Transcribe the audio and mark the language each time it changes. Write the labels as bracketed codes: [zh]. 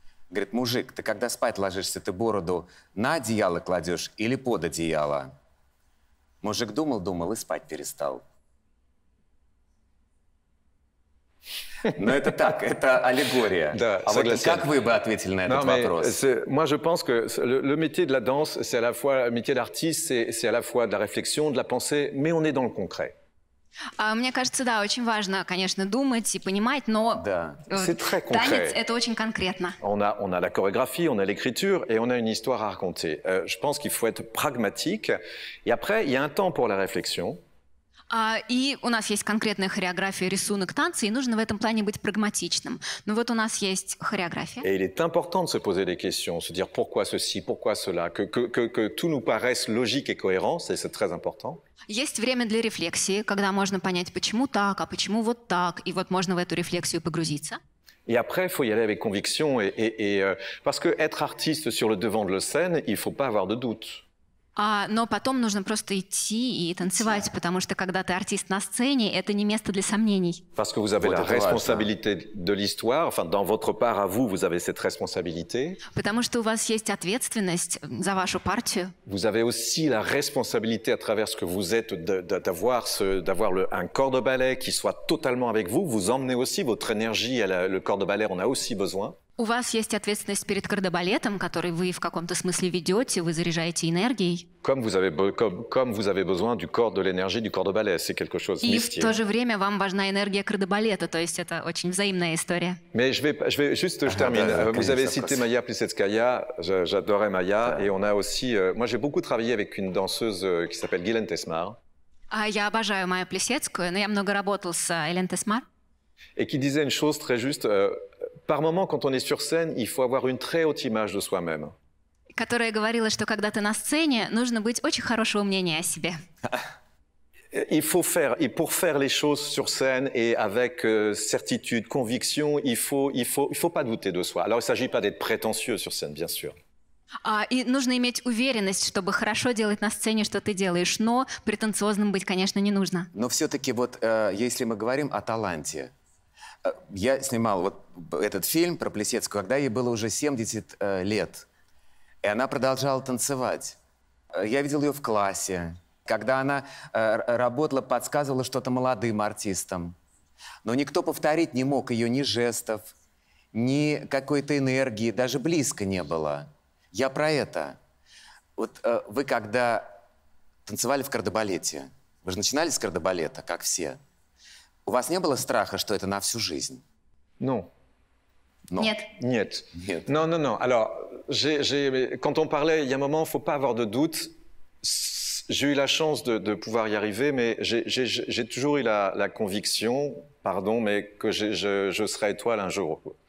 [ru] Говорит, мужик, ты когда спать ложишься, ты бороду на одеяло кладешь или под одеяло? Мужик думал, думал и спать перестал. Но это так, это аллегория. Да, а вот как вы бы ответили на этот вопрос? [fr] Moi, je pense que le métier de la danse, c'est à la fois le métier d'artiste, c'est à la fois de la réflexion, de la pensée, mais on est dans le concret. [ru] Мне кажется, да, очень важно, конечно, думать и понимать, но да. [fr] C'est très concret. [ru] Танец – это очень конкретно. [fr] On a la chorégraphie, on a l'écriture et on a une histoire à raconter. Je pense qu'il faut être pragmatique. Et après, il y a un temps pour la réflexion. [ru] И у нас есть конкретная хореография, рисунок, танцы, и нужно в этом плане быть прагматичным. Но вот у нас есть хореография. [fr] Et il est important de se poser des questions, se dire pourquoi ceci, pourquoi cela, que tout nous paraisse logique et cohérent, c'est très important. [ru] Есть время для рефлексии, когда можно понять, почему так, а почему вот так, и вот можно в эту рефлексию погрузиться. [fr] Et après, il faut y aller avec conviction, parce qu'être артиste sur le devant de la scène, il ne faut pas avoir de doute. [ru] Но потом нужно просто идти и танцевать, [en] yeah. [ru] потому что когда ты артист на сцене, это не место для сомнений. [fr] Parce que vous avez la responsabilité de l'histoire, enfin dans votre part à vous, vous avez cette responsabilité. [ru] Потому что у вас есть ответственность за вашу партию. [fr] Vous avez aussi la responsabilité à travers ce que vous êtes d'avoir un corps de ballet qui soit totalement avec vous, vous emmenez aussi votre énergie à le corps de ballet, on a aussi besoin. [ru] У вас есть ответственность перед кардебалетом, который вы в каком-то смысле ведете, вы заряжаете энергией. [fr] Comme vous avez besoin du corps, de l'énergie du corps de ballet, c'est quelque chose mystique. [ru] И в то же время вам важна энергия кардебалета, то есть это очень взаимная история. [fr] Mais je vais juste je termine. Vous avez cité Maya Plissetskaya, j'adorais Maya, et on a aussi, moi j'ai beaucoup travaillé avec une danseuse qui s'appelle Guylaine Tesmar. [ru] Я обожаю Майю Плисецкую, но я много работал с Элен Тесмар. [fr] Et qui disait une chose très juste. Par moment, quand on est sur scène, il faut avoir une très haute image de soi-même. [ru] Которая говорила, что когда ты на сцене, нужно быть очень хорошего мнения о себе. [fr] Il faut faire, et pour faire les choses sur scène et avec certitude, conviction, il faut pas douter de soi. Alors, il s'agit pas d'être prétentieux sur scène, bien sûr. [ru] И нужно иметь уверенность, чтобы хорошо делать на сцене, что ты делаешь, но претенциозным быть, конечно, не нужно. Но все-таки вот, если мы говорим о таланте. Я снимал вот этот фильм про Плисецкую, когда ей было уже 70 лет, и она продолжала танцевать. Я видел ее в классе, когда она работала, подсказывала что-то молодым артистам. Но никто повторить не мог ее ни жестов, ни какой-то энергии, даже близко не было. Я про это. Вот вы когда танцевали в кардебалете, вы же начинали с кардебалета, как все. У вас не было страха, что это на всю жизнь? Ну. [en] No. [ru] Нет. Нет. Нет. [fr] Non, non, non. Alors, quand on parlait, il y a un moment, faut pas avoir de doute. J'ai eu la chance de pouvoir y arriver, mais j'ai toujours eu la conviction, pardon, mais que je serai étoile un jour.